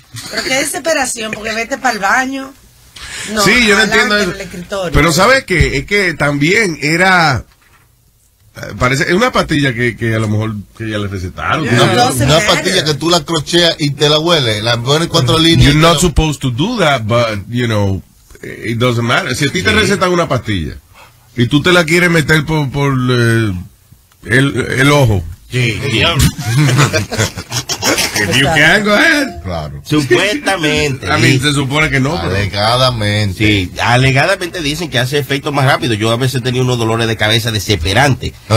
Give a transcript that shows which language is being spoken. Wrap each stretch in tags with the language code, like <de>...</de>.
<es>Pero qué desesperación, porque vete para el baño. No, sí, yo no entiendo eso. Pero ¿sabes qué? Es que también era... parece una pastilla que a lo mejor que ya le recetaron.</es> <en>Yeah.</en> <es>Una pastilla que tú la crocheas y te la hueles. La pones cuatro líneas.</es> <en>You're not supposed to do that, but, you know, it doesn't matter.</en> <es>Si a ti te recetan una pastilla y tú te la quieres meter por el ojo. Sí,</es> <en>you can go ahead.</en> <es>Claro. Supuestamente. A mí se supone que no. Alegadamente. Sí, alegadamente dicen que hace efecto más rápido. Yo a veces tenía unos dolores de cabeza desesperantes.</es>